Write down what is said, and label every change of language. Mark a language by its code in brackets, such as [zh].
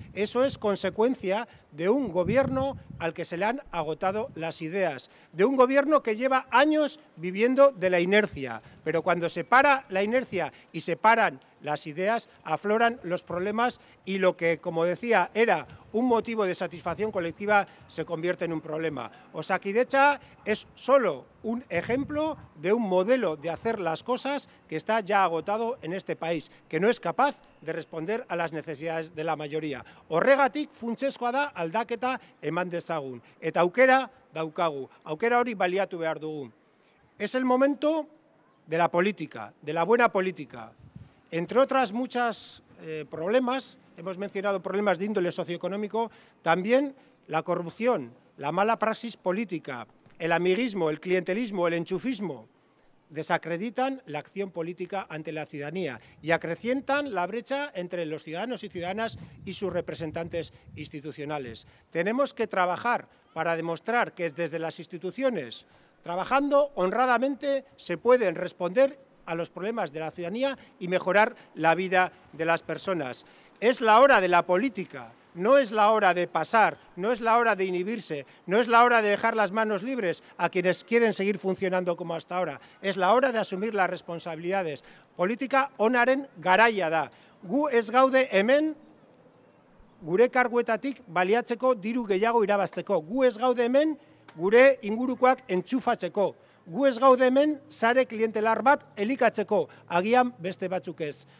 [es] Eso es consecuencia de un gobierno al que se le han agotado las ideas, de un gobierno que lleva años viviendo de la inercia, pero cuando se para la inercia y se paran las ideas, afloran los problemas y lo que, como decía, era un motivo de satisfacción colectiva se convierte en un problema. Osakidetza es solo un ejemplo de un modelo de hacer las cosas que está ya agotado en este país, que no es capaz de responder a las necesidades de la mayoría. [eu] Horregatik funtsezkoa da aldaketa eman dezagun. Eta aukera daukagu. Aukera hori baliatu behar dugu. [es] Es el momento de la política, de la buena política. Entre otras muchas problemas, hemos mencionado problemas de índole socioeconómico, también la corrupción, la mala praxis política, el amiguismo, el clientelismo, el enchufismo, desacreditan la acción política ante la ciudadanía y acrecientan la brecha entre los ciudadanos y ciudadanas y sus representantes institucionales. Tenemos que trabajar para demostrar que desde las instituciones, trabajando honradamente, se pueden responder a los problemas de la ciudadanía y mejorar la vida de las personas. Es la hora de la política, no es la hora de pasar, no es la hora de inhibirse, no es la hora de dejar las manos libres a quienes quieren seguir funcionando como hasta ahora, es la hora de asumir las responsabilidades. [eu] Política onaren garaia da. Gu ez gaude hemen gure karguetatik baliatzeko diru gehiago irabazteko. Gu ez gaude hemen gure ingurukoak entxufatzeko. Gu ez gaude hemen sare klientelar bat elikatzeko, agian beste batzuk ez.